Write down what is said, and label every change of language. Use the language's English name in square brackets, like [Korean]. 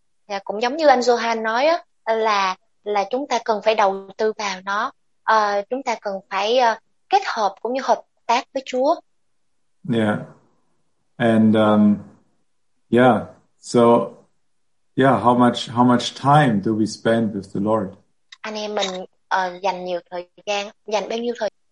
[Vietnamese] Yeah, cũng giống như anh Johan nói á, là chúng ta cần phải đầu tư vào nó, chúng ta cần phải kết hợp cũng như hợp tác với Chúa. Yeah. And yeah. [English] So yeah, how much time do we spend with the Lord? [Vietnamese] Anh em mình dành nhiều thời gian, dành bao nhiêu thời?